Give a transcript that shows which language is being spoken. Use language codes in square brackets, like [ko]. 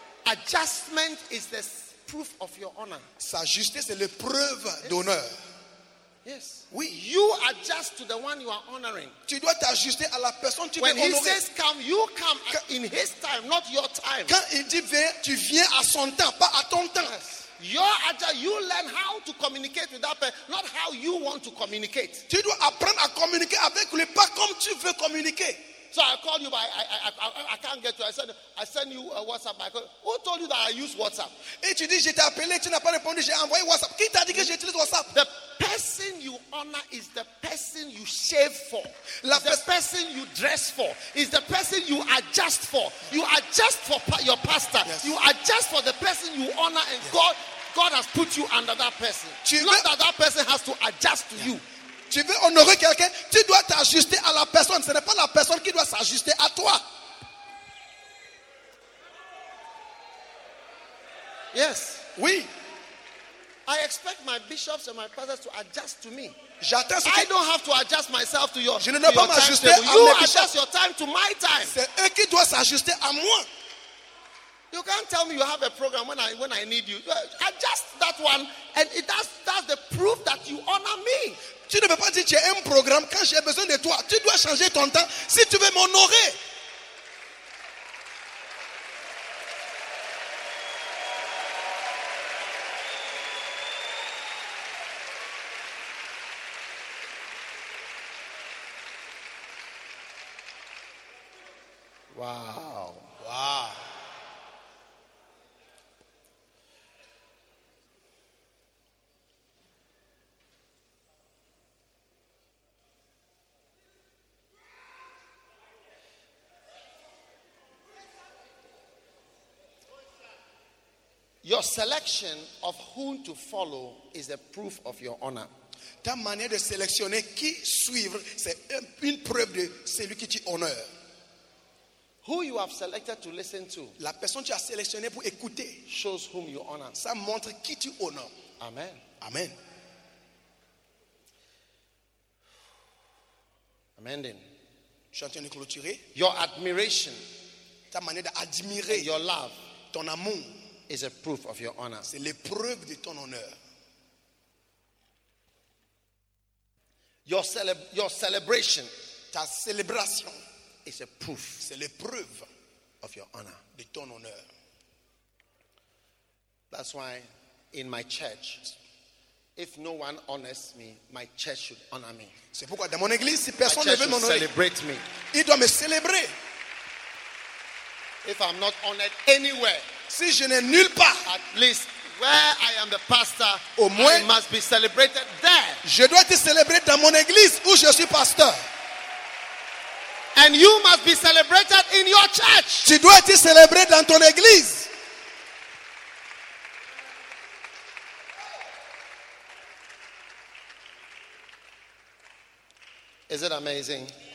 [en] Adjustment is the proof of your honor. [fr] Sa justice est l'épreuve d'honneur. [en] Yes. [fr] Oui. [en] You adjust to the one you are honoring. [fr] Tu dois t'ajuster à la personne tu [en] when [fr] veux honorer. [en] When he says come, you come in his time, not your time. [fr] Quand il dit viens, tu viens à son temps, pas à ton temps. [en] Yes. You learn how to communicate with that person, not how you want to communicate. [fr] Tu dois apprendre à communiquer avec lui, pas comme tu veux communiquer. [en] So I call you, but I can't get you. I send you a WhatsApp. Who told you that I use WhatsApp? [fr] Et tu dis je t'ai appelé, tu n'as pas répondu. J'ai envoyé WhatsApp. Qui t'a dit que j'utilise WhatsApp? [en] The person you honor is the person you shave for. The person you dress for is the person you adjust for. You adjust for your pastor. Yes. You adjust for the person you honor, and yes. God has put you under that person. That person has to adjust to you. [fr] Tu veux honorer quelqu'un, tu dois t'ajuster à la personne. Ce n'est pas la personne qui doit s'ajuster à toi. [en] Yes. [fr] Oui. [en] I expect my bishops and my pastors to adjust to me. [fr] J'attends. [en] I don't have to adjust myself to your. [fr] Je ne dois pas m'ajuster à mes [en] bishops. You adjust your time to my time. [fr] C'est eux qui doivent s'ajuster à moi. [en] You can't tell me you have a program when I need you. Adjust that one, and that's the proof that you honor me. [fr] Tu ne peux pas dire que j'ai un programme quand j'ai besoin de toi. Tu dois changer ton temps si tu veux m'honorer. [en] Wow. Your selection of whom to follow is a proof of your honor. [fr] Ta manière de sélectionner qui suivre, c'est une preuve de celui qui tu honores. [en] Who you have selected to listen to, [fr] la personne tu as sélectionné pour écouter, [en] shows whom you honor. [fr] Ça montre qui tu honores. [en] Amen. [fr] Amen. [en] Amending. [fr] Je suis en train de clôturer. [en] Your admiration, [fr] ta manière d'admirer, [en] your love, [fr] ton amour, [en] is a proof of your honor. [fr] C'est l'épreuve de ton honneur. [en] Your celebration, [fr] ta célébration, [en] is a proof. [fr] C'est l'épreuve [en] of your honor, [fr] de ton honneur. [en] That's why, in my church, if no one honors me, my church should honor me. [fr] C'est pourquoi dans mon église, si personne ne veut m'honorer, [en] celebrate me. [fr] Il doit me célébrer. [en] If I'm not honored anywhere. [fr] Si je n'ai nulle part, [en] at least where I am the pastor, [fr] au moins, [en] I must be celebrated there. [fr] Je dois être célébré dans mon église où je suis pasteur. [en] And you must be celebrated in your church. [fr] Tu dois être célébré dans ton église. [en] Is it amazing?